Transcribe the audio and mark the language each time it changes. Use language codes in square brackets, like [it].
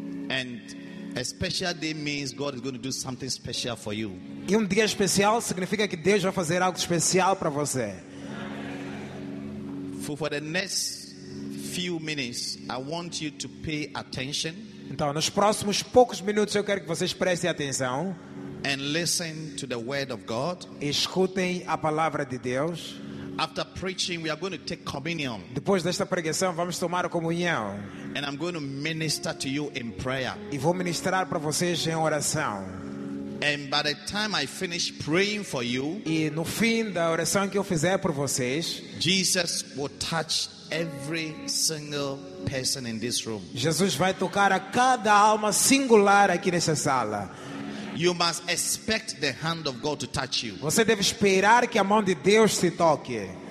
[en] And a special day means God is going to do something special for you. [pt] E dia especial significa que Deus vai fazer algo especial para você. [en] For the next few minutes, I want you to pay attention. [pt] Então, nos próximos poucos minutos, eu quero que vocês prestem atenção. [en] And listen to the word of God. [pt] Escutem a palavra de Deus. [en] After preaching, we are going to take communion. [pt] Depois desta pregação, vamos tomar a comunhão. [en] And I'm going to minister to you in prayer. [pt] E vou ministrar para vocês em oração. [en] And by the time I finish praying for you, [pt] e no fim da oração que eu fizer por vocês, [en] Jesus will touch every single person in this room. [pt] Jesus vai tocar a cada alma singular aqui nessa sala. [en] You must expect the hand of God to touch you. [pt] Você deve esperar que a mão de Deus te toque.